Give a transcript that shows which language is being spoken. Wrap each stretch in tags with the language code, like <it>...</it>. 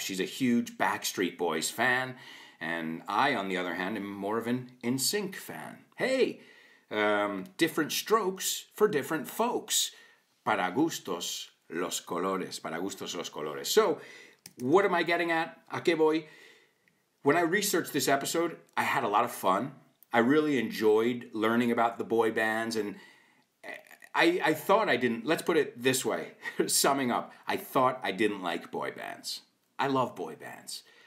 <en>She's a huge Backstreet Boys fan. And I, on the other hand, am more of an NSYNC fan. Hey, different strokes for different folks.</en> <es>Para gustos los colores.</es> <en>So, what am I getting at?</en> <es>¿A qué voy?</es> <en>When I researched this episode, I had a lot of fun. I really enjoyed learning about the boy bands. And I thought I didn't, let's put it this way, summing up. I thought I didn't like boy bands. I love boy bands.</en>